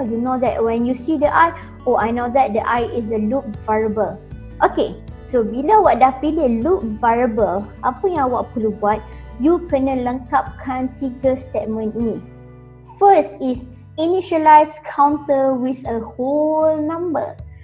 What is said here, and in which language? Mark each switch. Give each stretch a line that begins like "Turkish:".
English: You know that when you see the eye, oh I know that the eye is the loop variable.
Malay: Okay, so bila awak dah pilih loop variable, apa yang awak perlu buat? You kena lengkapkan tiga statement ini.
English: First is initialize counter with a whole number.